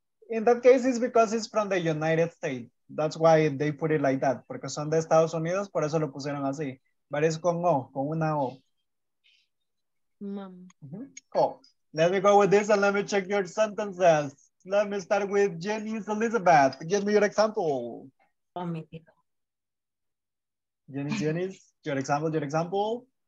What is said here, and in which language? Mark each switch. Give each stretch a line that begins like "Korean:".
English: In that case, it's because it's from the United States. That's why they put it like that.
Spanish: Porque son de Estados Unidos, por eso lo pusieron así.
English: But it's
Spanish: con O, con una O.
English: Mom. Cool. Let me go with this and let me check your sentences. Let me start with Jenny's Elizabeth. Give me your example. Jenny's, your example.